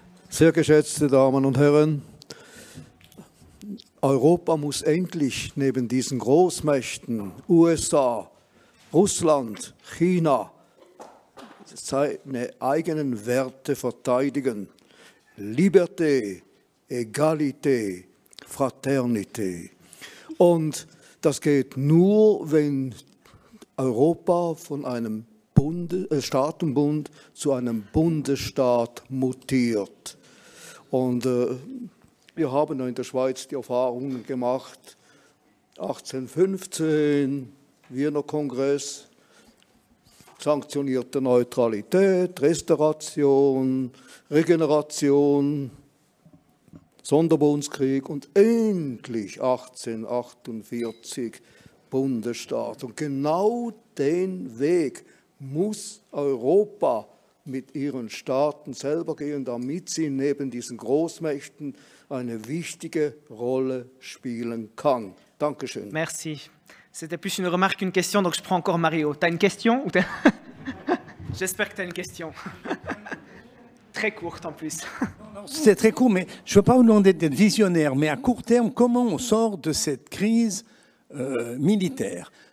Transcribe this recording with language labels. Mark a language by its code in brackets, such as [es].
[de] Sehr geschätzte Damen und Herren, Europa muss endlich neben diesen Großmächten USA, Russland, China seine eigenen Werte verteidigen. [fr] Liberté, Egalité, Fraternité. [de] Und das geht nur, wenn Europa von einem Staatenbund zu einem Bundesstaat mutiert. Und wir haben in der Schweiz die Erfahrungen gemacht, 1815, Wiener Kongress, sanktionierte Neutralität, Restauration, Regeneration, Sonderbundskrieg und endlich 1848 Bundesstaat. Und genau den Weg muss Europa mit ihren Staaten selber gehen, damit sie neben diesen Großmächten eine wichtige Rolle spielen kann. Dankeschön. [fr] Merci. C'était plus une remarque qu'une question, donc je prends encore Mario. T'as une question ou t'as... J'espère que t'as une question. Très courte en plus. C'est très court, mais je ne veux pas vous demander d'être visionnaire, mais à court terme, comment on sort de cette crise militaire ?